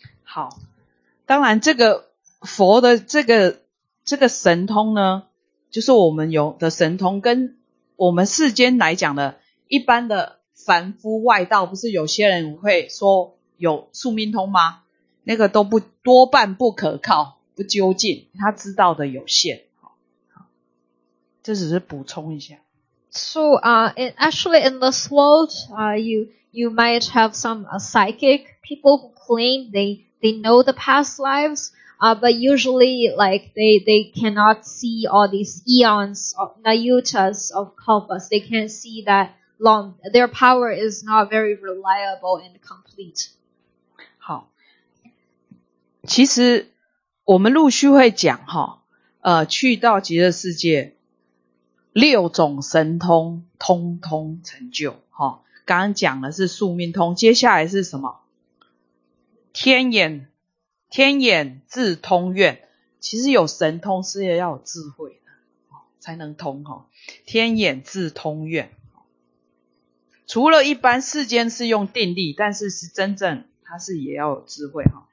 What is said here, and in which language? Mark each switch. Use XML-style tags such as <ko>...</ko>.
<zh>好，当然这个佛的这个神通呢，就是我们有的神通，跟我们世间来讲的一般的凡夫外道，不是有些人会说有宿命通吗？那个都不多半不可靠，不究竟，他知道的有限。好，这只是补充一下。</zh> <en>So actually in this world, you might have some psychic people who claim they know the past lives, but usually like they cannot see all these eons of nayutas of kalpas. They can't see that long. Their power is not very reliable and complete.</en> <zh>好，其实我们陆续会讲哈，去到极乐世界，六种神通通通成就哈。刚刚讲的是宿命通，接下来是什么？天眼智通愿，其实有神通是要有智慧的才能通，天眼智通愿，除了一般世间是用定力，但是是真正它是也要有智慧。</zh>